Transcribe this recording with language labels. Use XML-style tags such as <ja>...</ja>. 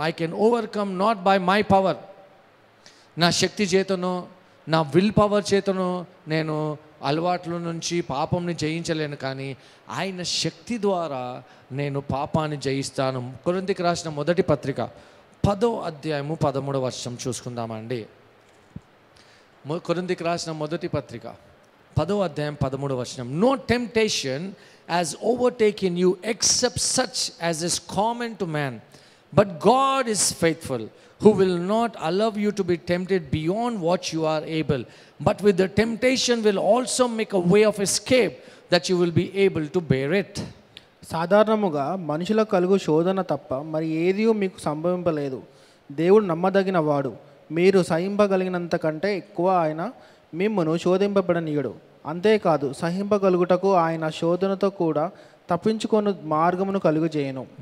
<en>I can overcome not by my power,</en> <te>నా శక్తి చేతనో నా will power చేతనో నేను అలవాట్ల నుంచి పాపంని జయించలేను, కానీ ఆయన శక్తి ద్వారా నేను పాపాన్ని జయిస్తాను. కొరింథీయులకు రాసిన మొదటి పత్రిక 10వ అధ్యాయము 13వ వచనం చూసుకుందామండి. కొరింథీయులకు రాసిన మొదటి పత్రిక 10వ అధ్యాయం 13వ వచనం,</te> <en>No temptation as overtaken you except such as is common to man, but God is faithful who will not allow you to be tempted beyond what you are able, but with the temptation will also make a way of escape that you will be able to bear it.</en> <te>సాధారణముగ మనుషుల కలుగు శోధన తప్ప మరి ఏదియు మీకు సంభవింపలేదు. దేవుడు నమ్మదగిన వాడు, మీరు సహింపగలిగినంత కంటే ఎక్కువ ఆయన మిమ్మను శోధింపబడనీయుడు. అంతేకాదు సహింపగలుగుటకు ఆయన శోధనతో కూడా తప్పించుకొని మార్గమును కలుగు చేయను.</te>